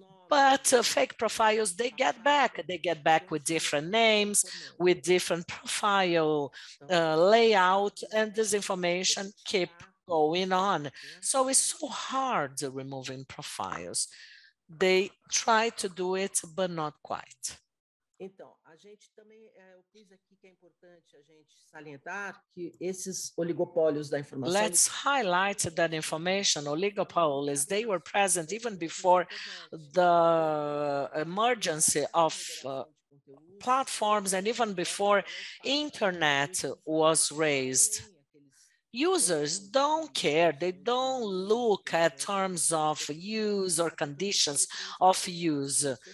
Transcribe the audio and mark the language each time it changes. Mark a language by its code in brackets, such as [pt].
[en] But fake profiles, they get back. They get back with different names, with different profile layout, and this information keep going on. So it's so hard removing profiles. They try to do it, but not quite. [pt] Então, a gente também, eu fiz aqui que é importante a gente salientar que esses oligopólios da informação. [en] Let's highlight that information oligopolies, they were present even before the emergence of platforms and even before internet was raised. Users don't care, they don't look at terms of use or conditions of use.